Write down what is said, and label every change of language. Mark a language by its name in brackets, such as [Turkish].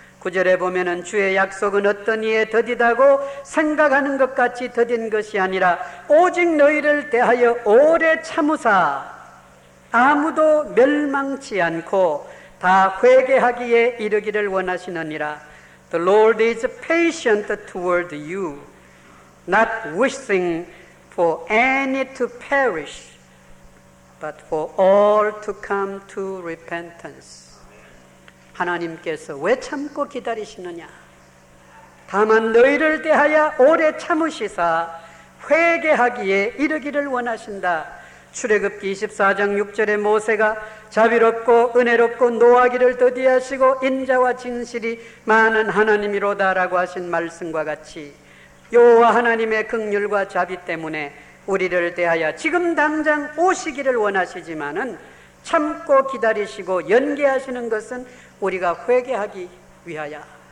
[Korean] 9절에 보면은 주의 약속은 어떤 이에 더디다고 생각하는 것 같이 더딘 것이 아니라 오직 너희를 대하여 오래 참으사 아무도 멸망치 않고 다 회개하기에 이르기를 원하시느니라. [English] The Lord is patient toward you, not wishing for any to perish, but for all to come to repentance. [Korean] 하나님께서 왜 참고 기다리시느냐? 다만 너희를 대하여 오래 참으시사 회개하기에 이르기를 원하신다. 출애굽기 24장 6절에 모세가 자비롭고 은혜롭고 노하기를 더디하시고 인자와 진실이 많은 하나님이로다라고 하신 말씀과 같이 여호와 하나님의 긍휼과 자비 때문에 우리를 대하여 지금 당장 오시기를 원하시지만은 참고 기다리시고 연기하시는 것은 우리가 회개하기 위하여.